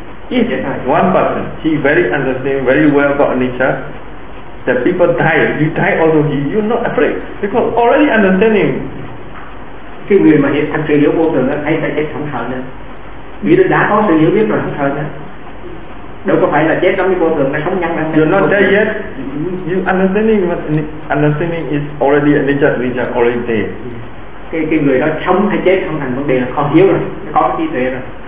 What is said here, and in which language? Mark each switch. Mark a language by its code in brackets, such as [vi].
[en] Yes, one person, he very understand very well about anicca. That people die, you die also, you're not afraid because already understand him. [vi] Cái người mà hiểu thật sự hiểu vô thường thấy ta chết không sợ nữa. Vì đã có sự hiểu biết rồi không sợ nữa. Đâu có phải là chết trong cái vô thường, nó không nhăn răng. [en] You're not dead yet. You understanding is already anicca, anicca already dead. [vi] Cái người đó sống hay chết không thành vấn đề là không hiểu rồi, có trí tuệ rồi.